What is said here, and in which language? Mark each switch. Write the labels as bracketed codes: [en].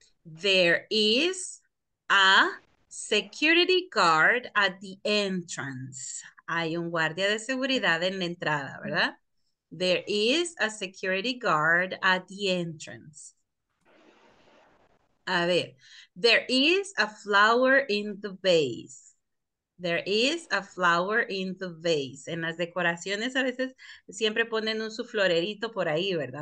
[en] There is a security guard at the entrance. [es] Hay un guardia de seguridad en la entrada, ¿verdad? [en] There is a security guard at the entrance. A ver, there is a flower in the vase. There is a flower in the vase. [es] En las decoraciones a veces siempre ponen un su florerito por ahí, ¿verdad?